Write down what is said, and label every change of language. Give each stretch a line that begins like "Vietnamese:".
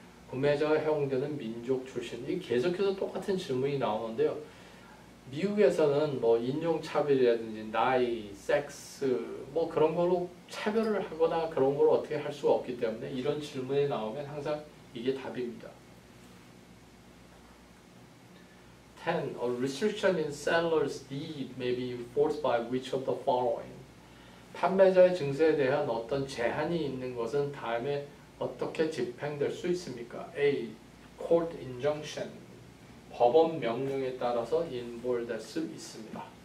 Korean: 구매자가 허용되는 민족 출신. 이게 계속해서 똑같은 질문이 나오는데요. 미국에서는 뭐 인종차별이라든지 나이, 섹스 뭐 그런 걸로 차별을 하거나 그런 걸 어떻게 할 수가 없기 때문에 이런 질문이 나오면 항상 이게 답입니다. 10.
English: A restriction in seller's deed may be enforced by which of the following?
Korean: 판매자의 증세에 대한 어떤 제한이 있는 것은 다음에 어떻게 집행될 수 있습니까? A.
English: Court injunction.
Korean: 법원 명령에 따라서 involved될 수 있습니다.